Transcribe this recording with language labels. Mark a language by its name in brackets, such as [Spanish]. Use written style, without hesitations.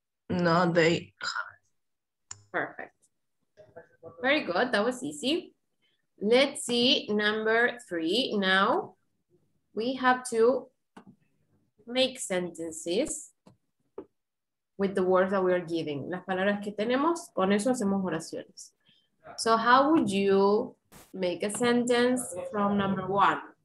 [English] No, they. Perfect. Very good. That was easy. Let's see number three. Now we have to make sentences with the words that we are giving. [Spanish] Las palabras que tenemos, con eso hacemos oraciones. [English] So how would you make a sentence from number one?